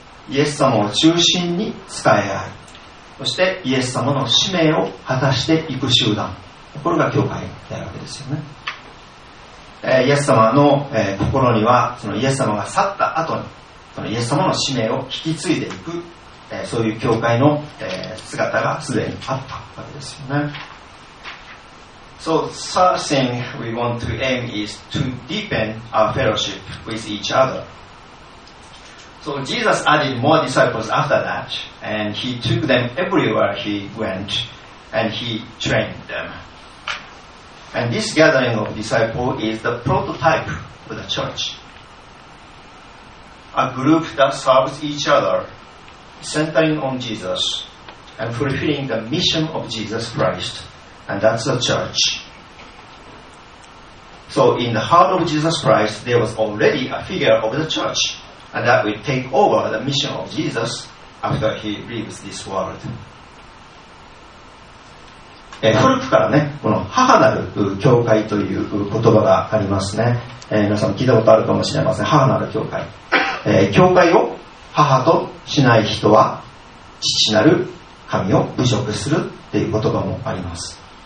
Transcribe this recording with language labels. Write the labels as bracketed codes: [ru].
[ja] イエス様を中心に仕え合い、そしてイエス様の使命を果たしていく集団、これが教会であるわけですよね。イエス様の心には、そのイエス様が去った後にそのイエス様の使命を引き継いでいく、そういう教会の姿がすでにあったわけですよね。 [en] So third thing we want to aim is to deepen our fellowship with each other. So Jesus added more disciples after that, and he took them everywhere he went, and he trained them. And this gathering of disciples is the prototype for the church. A group that serves each other, centering on Jesus, and fulfilling the mission of Jesus Christ. And that's the church. So in the heart of Jesus Christ, there was already a figure of the church, and that will take over the mission of Jesus after he leaves this world. [ja] 古くからね、この母なる教会という言葉がありますね。皆さん聞いたことあるかもしれません。母なる教会。教会を母としない人は父なる神を侮辱するっていう言葉もあります。